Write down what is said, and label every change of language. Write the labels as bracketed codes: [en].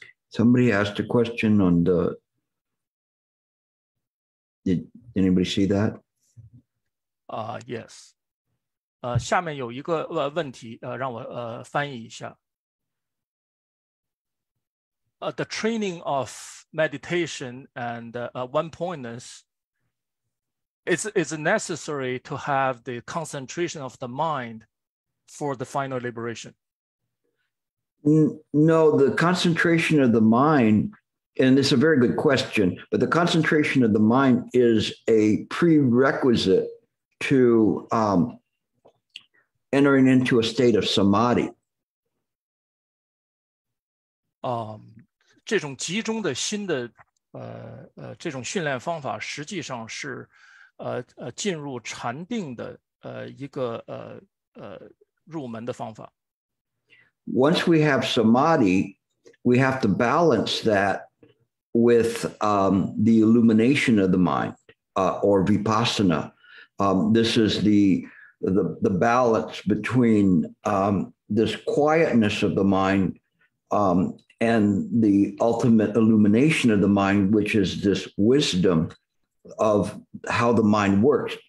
[en] Somebody asked a question on the Did anybody see that? Yes. [zh] 下面有一个问题，让我翻译一下。 [en] The training of meditation and one-pointness, is necessary to have the concentration of the mind for the final liberation? No, the concentration of the mind... And it's a very good question, but the concentration of the mind is a prerequisite to entering into a state of samadhi. [zh] 这种集中的心的这种训练方法实际上是进入禅定的一个入门的方法。 [en] Once we have samadhi, we have to balance that. With the illumination of the mind or vipassana. This is the balance between this quietness of the mind and the ultimate illumination of the mind, which is this wisdom of how the mind works.